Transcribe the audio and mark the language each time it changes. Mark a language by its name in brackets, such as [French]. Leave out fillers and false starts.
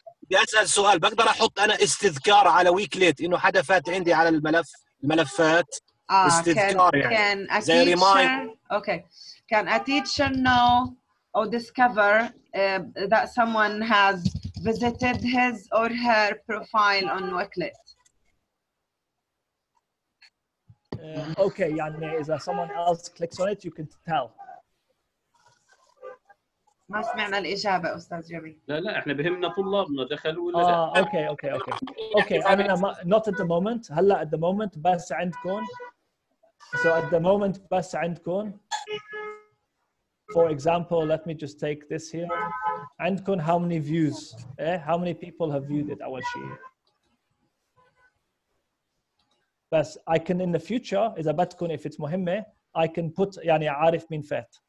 [Arabic] بأسأل سؤال بقدر أحط أنا استذكار على ويكليت إنه حدا فات عندي على الملفات استذكار [English] can [Arabic] يعني can زي ريمايند. [English] Okay can a teacher know or discover that someone has visited his or her profile on Wakelet? Okay, يعني إذا someone else clicks on it, you can tell. [Arabic] ما سمعنا الإجابة أستاذ جميل. لا إحنا بهمنا طلابنا دخلوا ولا [English] Okay. I mean, I'm not at the moment. [Arabic] هلا at the moment بس عندكم. [English] So at the moment بس عندكم. For example, let me just take this here. عندكم how many views? Eh? How many people have viewed it? أول شيء. بس I can in the future إذا بتكون if it's مهمة I can put يعني عارف مين فات.